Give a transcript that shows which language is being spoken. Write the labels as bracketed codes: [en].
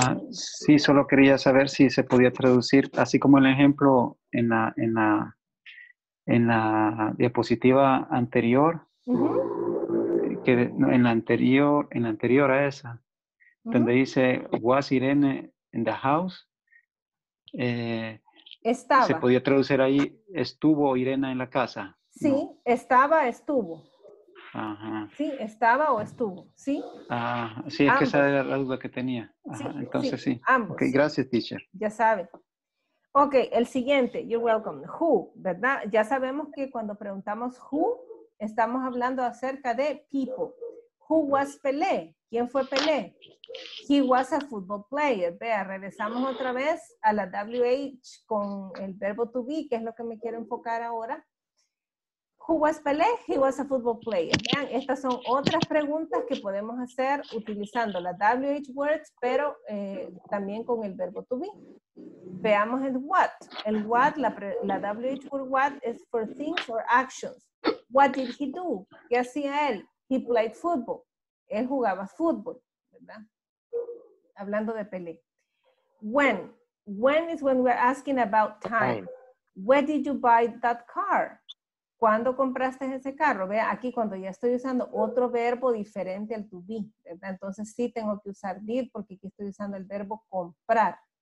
[es] Sí, solo quería saber si se podía traducir, así como el ejemplo en la, en la, en la diapositiva anterior. Uh-huh. Que, no, en la anterior a esa, uh-huh. donde dice [en] was Irene in the house, [es] estaba. Se podía traducir ahí estuvo Irene en la casa. Sí, ¿no? Estaba, estuvo. Ajá. Sí, estaba o estuvo, ¿sí? Ah, sí, es ambos. Que esa era la duda que tenía. Ajá, sí, entonces sí, ambos. Ok, gracias, teacher. Ya sabe. Ok, el siguiente, [en] you're welcome. [es] Who, ¿verdad? Ya sabemos que cuando preguntamos who, estamos hablando acerca de people. [en] Who was Pelé? [es] ¿Quién fue Pelé? [en] He was a football player. [es] Vea, regresamos otra vez a la WH con el verbo to be, que es lo que me quiero enfocar ahora. [en] Who was Pelé? He was a football player. [es] Vean, estas son otras preguntas que podemos hacer utilizando las WH words, pero también con el verbo to be. Veamos el what. [en] El what, la WH word what, is for things or actions. What did he do? [es] ¿Qué hacía él? [en] He played football. [es] Él jugaba fútbol, ¿verdad? Hablando de Pelé. When. [en] When is when we're asking about time. Where did you buy that car? [es] ¿Cuándo compraste ese carro? Vea, aquí cuando ya estoy usando otro verbo diferente al to be, ¿verdad? Entonces sí tengo que usar did porque aquí estoy usando el verbo comprar.